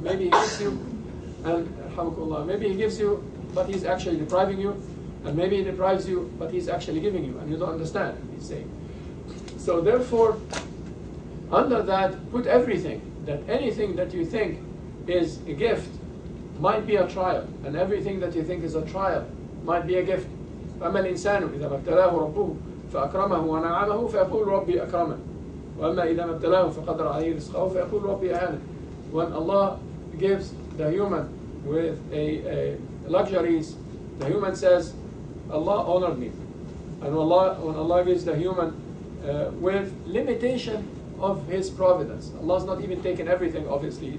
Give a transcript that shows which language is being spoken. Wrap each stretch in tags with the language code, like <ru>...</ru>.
<en>Maybe he gives you, and rahmukullah, maybe he gives you, but he's actually depriving you, and maybe he deprives you, but he's actually giving you, and you don't understand, he's saying. So therefore, under that, put everything, that anything that you think is a gift might be a trial, and everything that you think is a trial might be a gift.</en> <ar>فأما الإنسان إذا ما ابتلاه ربه فأكرمه ونعمه فيقول ربي أكرمن. وأما إذا ما ابتلاه فقدر عليه رزقه فيقول ربي أهانن.</ar> <en>When Allah gives the human with a luxuries, the human says, Allah honored me. And when Allah gives the human with limitation of his providence, Allah's not even taking everything, obviously.</en>